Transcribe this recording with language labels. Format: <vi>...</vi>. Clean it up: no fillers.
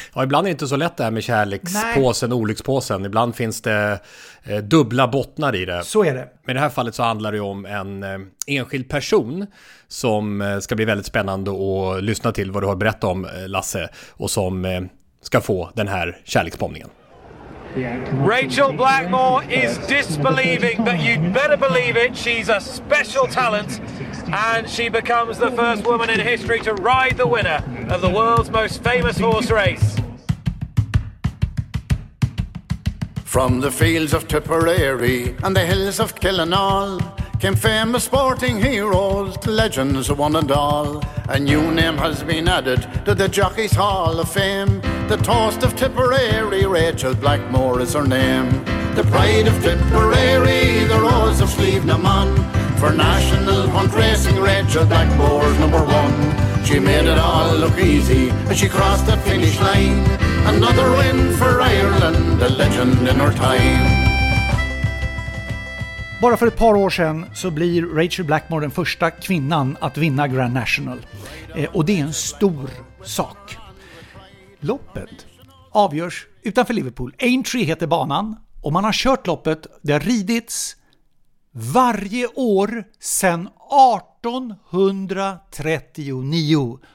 <sv>Ja, ibland är det inte så lätt det här med kärlekspåsen och olyckspåsen. Ibland finns det dubbla bottnar i det. Så är det. Men i det här fallet så handlar det om en enskild person som ska bli väldigt spännande att lyssna till vad du har berättat om, Lasse. Och som ska få den här kärleksbombningen.</sv> <en>Rachel Blackmore is disbelieving, but you'd better believe it, she's a special talent and she becomes the first woman in history to ride the winner of the world's most famous horse race. From the fields of Tipperary and the hills of Killinall came famous sporting heroes, legends one and all. A new name has been added to the Jockeys Hall of Fame. The toast of Tipperary, Rachel Blackmore is her name. The pride of Tipperary, the rose of Slieve na Mon. For national hunt racing, Rachel Blackmore's number one. She made it all look easy as she crossed the finish line. Another win for Ireland, a legend in her time.</en> <sv>Bara för ett par år sedan så blir Rachel Blackmore den första kvinnan att vinna Grand National. Och det är en stor sak. Loppet avgörs utanför Liverpool. Aintree heter banan och man har kört loppet. Det har ridits varje år sedan 1839.</sv>